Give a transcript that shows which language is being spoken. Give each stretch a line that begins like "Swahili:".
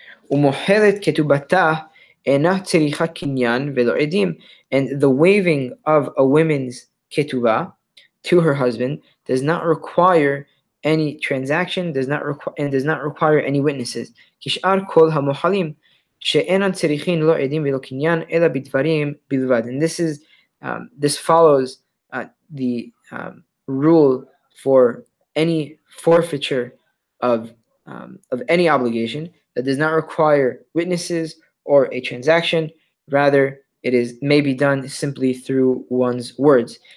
Hebrew: ומוכרת כתובתה אינה צריכה קניין ולא עדים.
English: And the waiving of a woman's ketubah to her husband does not require any transaction, does not require any witnesses.
Hebrew: כשאר כל המוחלים שאינם צריכים לא עדים ולא קניין אלא בדברים בלבד.
English: And this is this follows the rule for any forfeiture of any obligation that does not require witnesses or a transaction, rather it is may be done simply through one's words.